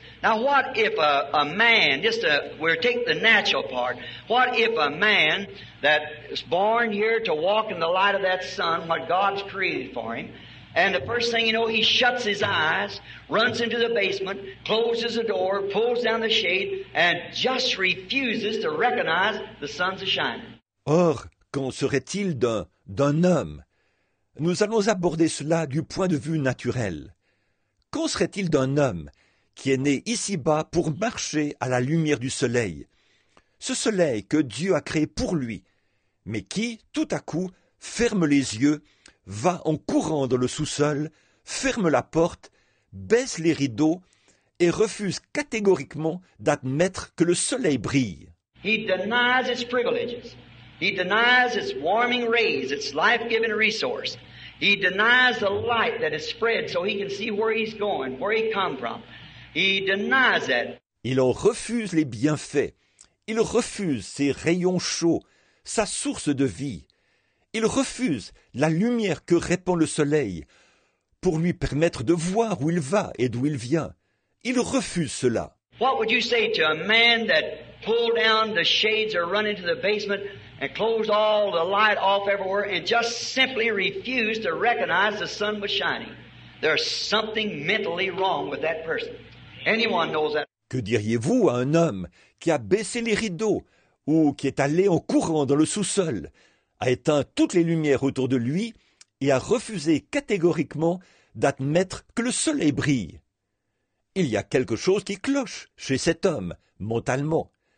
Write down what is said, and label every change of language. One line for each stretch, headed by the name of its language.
English: Now what if a man, just we're taking the natural part, what if a man that is born here to walk in the light of that sun, what God's created for him, and the first thing you know, he shuts his eyes, runs into the basement, closes the door, pulls down the shade, and just refuses to recognize the sun's shining.
French: Or, qu'en serait-il d'un homme? Nous allons aborder cela du point de vue naturel. Qu'en serait-il d'un homme qui est né ici-bas pour marcher à la lumière du soleil? Ce soleil que Dieu a créé pour lui, mais qui, tout à coup, ferme les yeux, va en courant dans le sous-sol, ferme la porte, baisse les rideaux et refuse catégoriquement d'admettre que le soleil brille.
English: He denies its privileges. He denies its warming rays, its life-giving resource. He denies the light that is spread so he can see where he's going, where he come from. He denies that.
French: Il en refuse les bienfaits. Il refuse ses rayons chauds, sa source de vie. Il refuse la lumière que répand le soleil pour lui permettre de voir où il va et d'où il vient. Il refuse cela.
English: What would you say to a man that pulled down the shades or run into the basement and closed all the light off everywhere and just simply refused to recognize the sun was shining? There's something mentally wrong with that person. Anyone knows that.
French: Que diriez-vous à un homme qui a baissé les rideaux ou qui est allé en courant dans le sous-sol, a éteint toutes les lumières autour de lui et a refusé catégoriquement d'admettre que le soleil brille? Il y a quelque chose qui cloche chez cet homme, mentalement.